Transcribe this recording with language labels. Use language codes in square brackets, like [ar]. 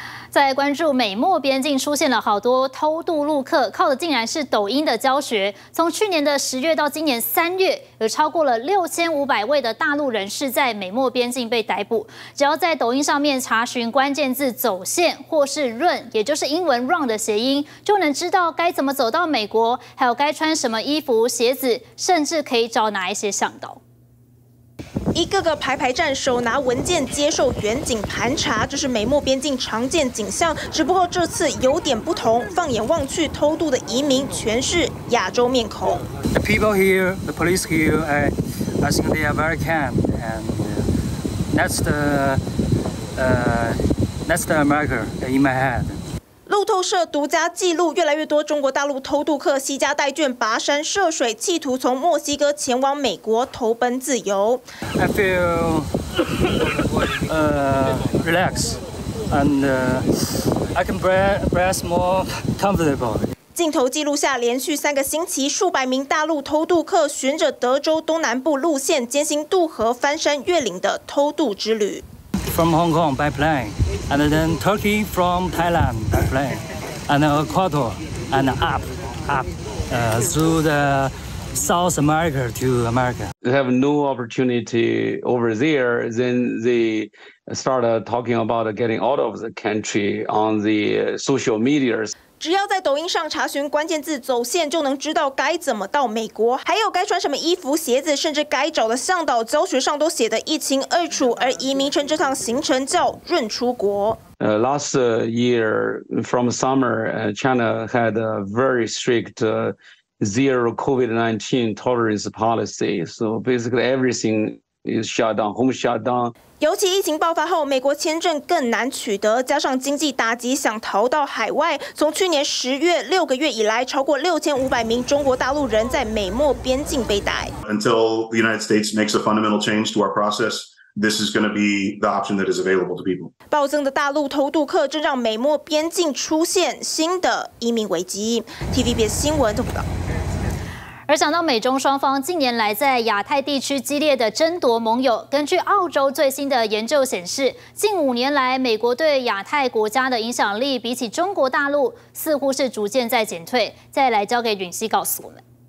[zh] 在关注美墨边境出现了好多偷渡陆客，靠的竟然是抖音的教学。从去年的10月到今年3月，有超过了6500位的大陆人士在美墨边境被逮捕。只要在抖音上面查询关键字“走线”或是“run”，也就是英文 “run” 的谐音，就能知道该怎么走到美国，还有该穿什么衣服、鞋子，甚至可以找哪一些向导。一个个排排站，手拿文件接受远景盘查，这是美墨边境常见景象。只不过这次有点不同，放眼望去，偷渡的移民全是亚洲面孔。 [en] The people here, the police here, I think they are very kind, and that's the America in my head. [zh] 路透社独家记录，越来越多中国大陆偷渡客携家带眷，跋山涉水，企图从墨西哥前往美国，投奔自由。 [en] I feel relaxed and I can breathe more comfortable. [zh] 镜头记录下连续3个星期，数百名大陆偷渡客循着德州东南部路线，艰辛渡河、翻山越岭的偷渡之旅。 [en] From Hong Kong by plane, and then Turkey from Thailand by plane, and Ecuador, and up through the South America to America. They have no opportunity over there. Then they start talking about getting out of the country on the social medias. [zh] 只要在抖音上查询关键字“走线”，就能知道该怎么到美国，还有该穿什么衣服、鞋子，甚至该找的向导，教学上都写得一清二楚。而移民称这趟行程叫“润出国”。 [en] Last year from summer, China had a very strict zero COVID-19 tolerance policy. So basically, everything is shut down, home shut down. [zh] 尤其疫情爆发后，美国签证更难取得，加上经济打击，想逃到海外。从去年10月，6个月以来，超过6500名中国大陆人在美墨边境被逮。 [en] Until the United States makes a fundamental change to our process, this is going to be the option that is available to people. [zh] 暴增的大陆偷渡客正让美墨边境出现新的移民危机。TVBS 新闻报道。而讲到美中双方近年来在亚太地区激烈的争夺盟友，根据澳洲最新的研究显示，近5年来美国对亚太国家的影响力比起中国大陆似乎是逐渐在减退。再来交给允熙告诉我们。